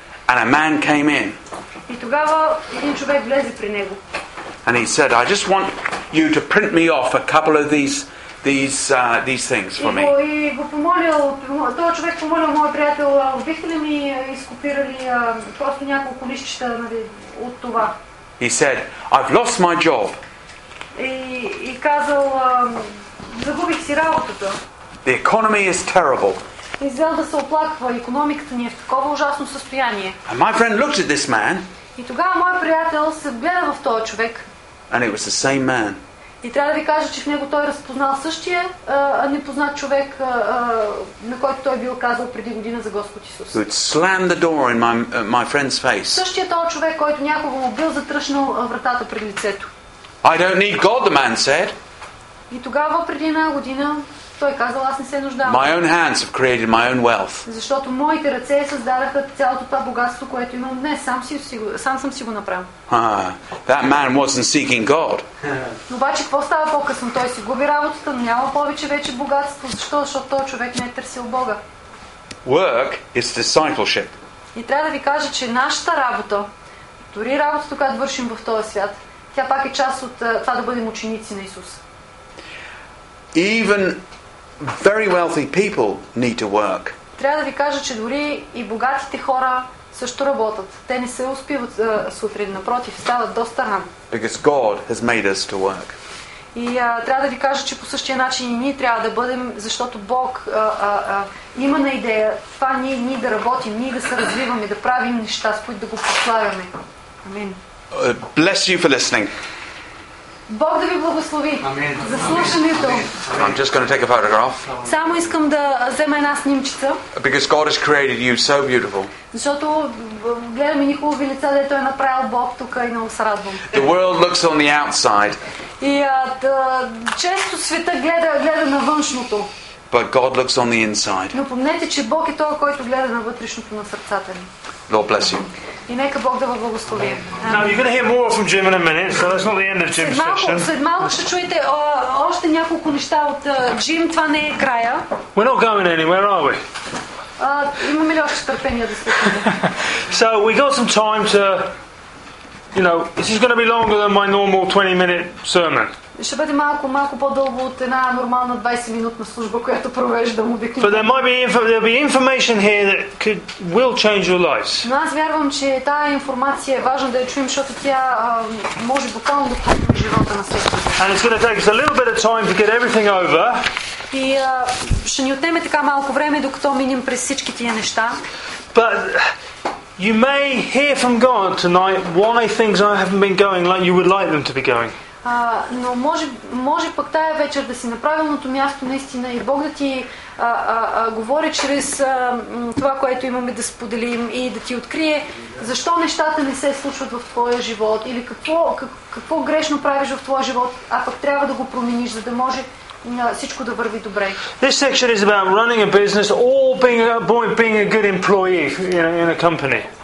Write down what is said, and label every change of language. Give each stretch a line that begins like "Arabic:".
English: And a man came in.
Bulgarian: И тогава един човек влезе при него.
English: And he said, I just want you to print me off a couple of these things for me.
Bulgarian: И го помолил, този човек помолил моя приятел, бихте ли ми изкопирали просто няколко листчета от това.
English: He said, I've lost my job.
Bulgarian: И казал, загубих си работата.
English: The economy is terrible.
Bulgarian: И взял да се оплаква, икономиката ни е в такова ужасно състояние.
English: And my friend looked at this man.
Bulgarian: И тогава моя приятел се гледа в този човек.
English: And it was the same man.
Bulgarian: И трябва да ви кажа, че в него той разпознал същия непознат човек, на който той бил казал преди година за Господ Исус.
English: Who'd slammed the door in my friend's face.
Bulgarian: Същия този човек, който някога му бил затръшнал вратата пред лицето.
English: I don't need God, the man said.
Bulgarian: И тогава преди една година той казал, аз не се нуждавам.
English: My own hands have created my own wealth.
Bulgarian: Защото моите ръце създадаха цялото това богатство, което имам днес. Сам съм си го направил.
English: That man wasn't seeking God.
Bulgarian: Обаче какво става по-късно? Той си губи работата, но няма повече вече богатство. Защо? Защото този човек не е търсил Бога.
English: Work is discipleship.
Bulgarian: И трябва да ви кажа, че нашата работа, дори работата, която вършим в този свят, тя пак е част от това да бъдем ученици на Исус.
English: Even very wealthy people need to work.
Bulgarian: Трябва да ви кажа, че дори и богатите хора също работят. Те не се успиват сутрин, напротив, стават доста рано.
English: Because God has made us to work.
Bulgarian: И трябва да ви кажа, че по същия начин и ние трябва да бъдем, защото Бог има на идея това ние да работим, ние да се развиваме, да правим неща, с които да го прославяме. Амин.
English: Bless you for listening.
Bulgarian: Бог да ви благослови. Амин. За слушането.
English: I'm just going to take a photograph.
Bulgarian: Само искам да взема една снимчица.
English: Because God has created you so beautiful.
Bulgarian: Защото гледаме ни хубави лица, дето е направил Бог тук и много се радвам.
English: The world looks on the outside.
Bulgarian: И често света гледа на външното.
English: But God looks on the inside.
Bulgarian: Но помнете, че Бог е той, който гледа на вътрешното на сърцата ни.
English: Lord bless you.
Bulgarian: И нека Бог да ви благослови.
English: Now you're going to hear more from Jim in a minute, so that's not the end of Jim's session.
Bulgarian: След малко ще чуете още няколко неща от Джим, това не е края.
English: We're not going anywhere, are we?
Bulgarian: Имаме ли още търпение да слушаме?
English: So we got some time to, you know, this is going to be longer than my normal 20-minute sermon.
Bulgarian: Ще бъде малко по-дълго от една нормална 20-минутна служба, която провеждам обикновено.
English: But there'll be information here that will change your lives.
Bulgarian: Но аз вярвам, че тая информация е важна да я чуем, защото тя може буквално да промени живота на всеки.
English: And it's going to take us a little bit of time to get everything over.
Bulgarian: И ще ни отнеме така малко време, докато минем през всички тия неща.
English: But you may hear from God tonight why things haven't been going like you would like them to be going.
Bulgarian: Но може пък тая вечер да си на правилното място наистина и Бог да ти говори чрез това, което имаме да споделим и да ти открие защо нещата не се случват в твоя живот или какво грешно правиш в твоя живот, а пък трябва да го промениш, за да може всичко да върви добре.
English: This section is about running a business or being a good employee in a company.